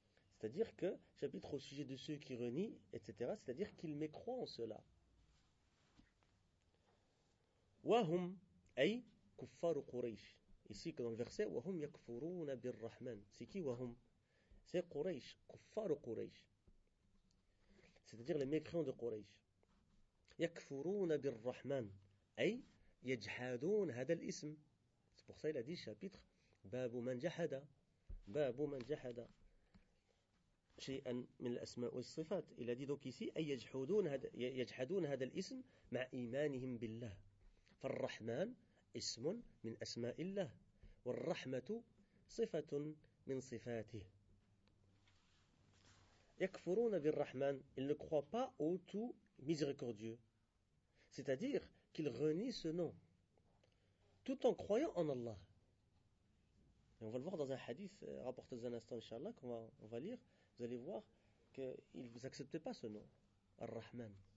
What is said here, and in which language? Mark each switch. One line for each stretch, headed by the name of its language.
French: C'est-à-dire que chapitre au sujet de ceux qui renient, etc. c'est-à-dire qu'il mécroit en cela.
Arabic: وهم أي كفار قريش.
French: ici dans le verset
Arabic: وهم يكفرون بالرحمن.
French: c'est qui
Arabic: وهم?
French: c'est
Arabic: قريش, كفار قريش.
French: c'est-à-dire les mécréants de قريش.
Arabic: يكفرون بالرحمن أي يجحدون هذا الاسم.
French: c'est pour ça il a dit chapitre
Arabic: باب من جحد. باب من جحد شيئا من الأسماء والصفات.
French: il a dit donc ici
Arabic: أي يجحدون هذا الاسم مع إيمانهم بالله. فالرحمن اسم من أسماء الله والرحمة صفة من صفاته. يكفرون بالرحمن.
French: Ils ne croient pas au tout miséricordieux. C'est-à-dire qu'ils renient ce nom tout en croyant en Allah. Et on va le voir dans un hadith rapporté dans un instant, inshallah, qu'on va, on va lire. Vous allez voir qu'ils n'acceptaient pas ce nom, Ar-Rahman.